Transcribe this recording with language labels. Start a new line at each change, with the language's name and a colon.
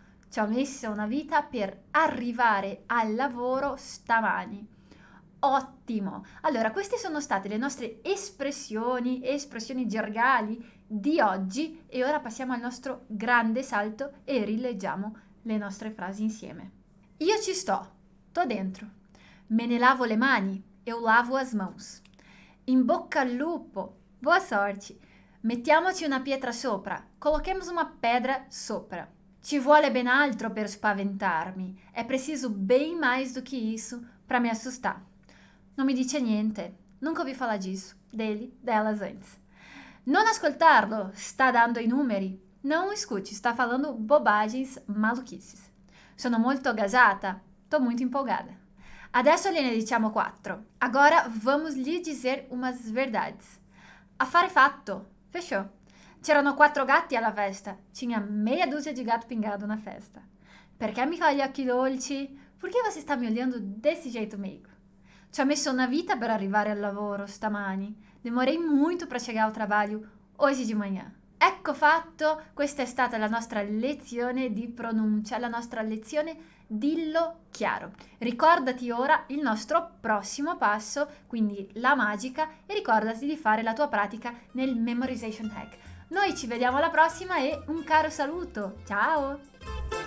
Italian: Ci ho messo una vita per arrivare al lavoro stamani. Ottimo! Allora, queste sono state le nostre espressioni gergali di oggi e ora passiamo al nostro grande salto e rileggiamo le nostre frasi insieme. Io ci sto,
Portuguese: tô dentro.
Italian: Me ne lavo le mani,
Portuguese: eu lavo as mãos.
Italian: In bocca al lupo.
Portuguese: Boa sorte!
Italian: Mettiamoci una pietra sopra.
Portuguese: Colochemos uma pedra sopra.
Italian: Ci vuole ben altro per spaventarmi.
Portuguese: È preciso bem mais do que isso para me assustar.
Italian: Non mi dice niente.
Portuguese: Nunca ouvi falar disso. Dele, delas antes.
Italian: Non ascoltarlo. Sta dando i numeri.
Portuguese: Non escute. Sta falando bobagens, maluquices.
Italian: Sono molto gasata.
Portuguese: Tô muito empolgada.
Italian: Adesso gliene diciamo quattro.
Portuguese: Agora vamos lhe dizer umas verdades.
Italian: Affare fatto,
Portuguese: fechou.
Italian: C'erano quattro gatti alla festa.
Portuguese: C'era meia dúzia di gatto pingado na festa.
Italian: Perché mi fai gli occhi dolci?
Portuguese: Perché você sta me olhando desse jeito, amigo?
Italian: Ci ho messo una vita per arrivare al lavoro stamani.
Portuguese: Demorei
Italian: molto per arrivare al lavoro oggi
Portuguese: di manhã.
Italian: Ecco fatto, questa è stata la nostra lezione di pronuncia, la nostra lezione dillo chiaro. Ricordati ora il nostro prossimo passo, quindi la magica, e ricordati di fare la tua pratica nel Memorization Hack. Noi ci vediamo alla prossima e un caro saluto. Ciao!